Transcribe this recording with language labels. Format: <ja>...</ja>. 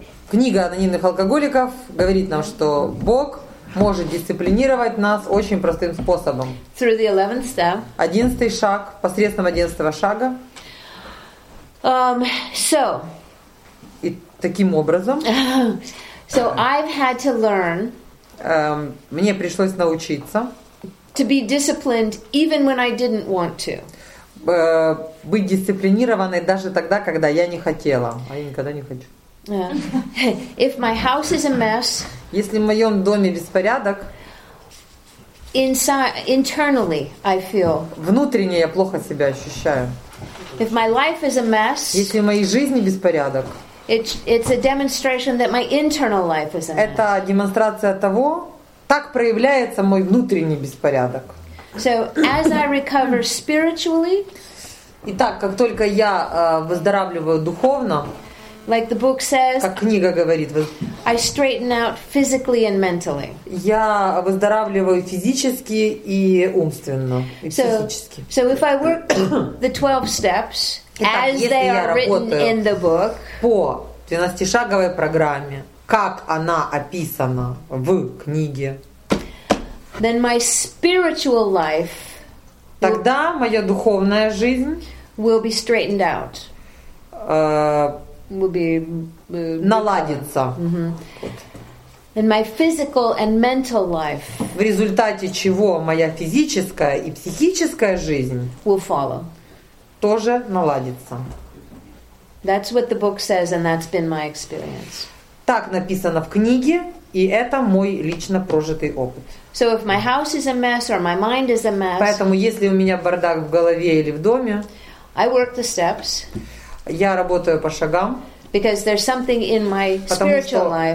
<ru>Книга анонимных алкоголиков говорит нам, что Бог может дисциплинировать нас очень простым способом.</ru> <en>Through the 11th step.</en> <ru>11-й шаг, посредством 11-го шага.</ru> <en>So.</en> <ru>И таким образом.</ru> <en>So I've had to learn.</en> <ru>Мне пришлось научиться.</ru> <en>To be disciplined even when I didn't want to.</en> <ru>Быть дисциплинированной даже тогда, когда я не хотела. А я никогда не хочу.</ru> <en>If my house is a mess,</en> <ru>если в моем доме беспорядок,</ru> <en>internally I feel,</en> <ru>внутренне я плохо себя ощущаю.</ru> <en>If my life is a mess,</en> <ru>если в моей жизни беспорядок,</ru> <en>It's a demonstration that my internal life is in mess.</en> <ru>Это демонстрация того, так проявляется мой внутренний беспорядок.</ru> <en>So as I recover spiritually.</en> <ru>Итак, как только я выздоравливаю духовно,</ru> <en>like the book says,</en> <ru>как книга говорит,</ru> <en>I straighten out physically and mentally.</en> <ru>Я выздоравливаю физически и умственно, и психически.</ru> <en>So if I work the 12 steps as they are written in the book,</en> <ru>по 12-шаговой программе, как она описана в книге,</ru> <en>then my spiritual life,</en> <ru>тогда моя духовная жизнь</ru> <en>will be straightened out. Will be</en> <ru>наладится.</ru> <en>And my physical and mental life.</en> <ru>В результате чего моя физическая и психическая жизнь</ru> <en>will follow.</en> <ru>Тоже наладится.</ru> <en>That's what the book says, and that's been my experience.</en> <ru>Так написано в книге, и это мой лично прожитый опыт.</ru> <en>So if my house is a mess or my mind is a mess.</en> <ru>Поэтому если у меня бардак в голове или в доме,</ru> <en>I work the steps.</en> <ru>Я работаю по шагам.</ru> <en>Because there's something in my spiritual life.</en>